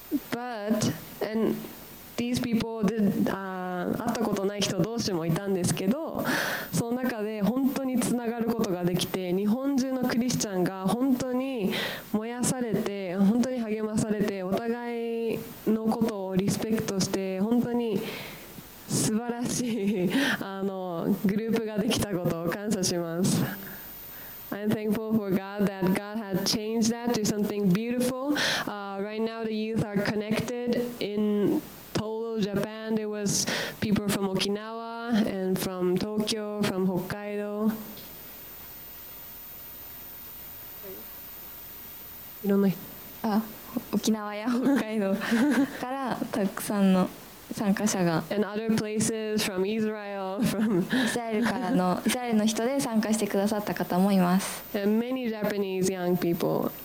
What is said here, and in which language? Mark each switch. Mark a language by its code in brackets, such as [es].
[en] But and these people did [ja] 会ったことない人同士もいたんですけど、その中で本当につながることができて、日本中のクリスチャンが本当に燃やされて、本当に励まされて、お互いのことをリスペクトして、本当に素晴らしいグループができたことを感謝します。 [en] I'm thankful for God that God had changed that to something beautiful. Right now, the youth are connected in total Japan. There was people from Okinawa and from Tokyo, from Hokkaido. [ja] いろんな人。あ、沖縄や北海道からたくさんの参加者が。 [en] And other places from Israel, from [ja] イスラエルからのイスラエルの人で参加してくださった方もいます。 [en] And many Japanese young people.